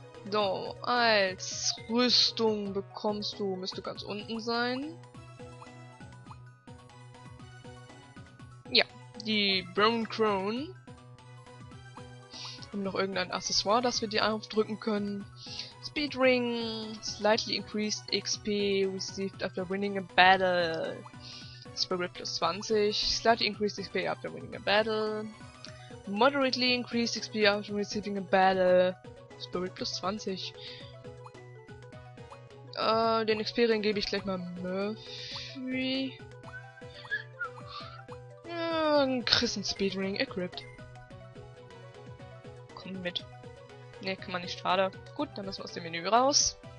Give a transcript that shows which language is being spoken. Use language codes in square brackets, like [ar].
[de] So, als Rüstung bekommst du, müsste ganz unten sein. Ja, die Bone Crown. Und noch irgendein Accessoire, das wir dir aufdrücken können. Das [en] Speed Ring. Slightly increased XP received after winning a battle. Spirit plus 20. Slightly increased XP after winning a battle. Moderately increased XP after receiving a battle. Spirit plus 20. [de] Den XP Ring gebe ich gleich mal Murphy. [en] Christen Speed Ring equipped. [de] Komm mit. Ne, kann man nicht, schade. Gut, dann müssen wir aus dem Menü raus.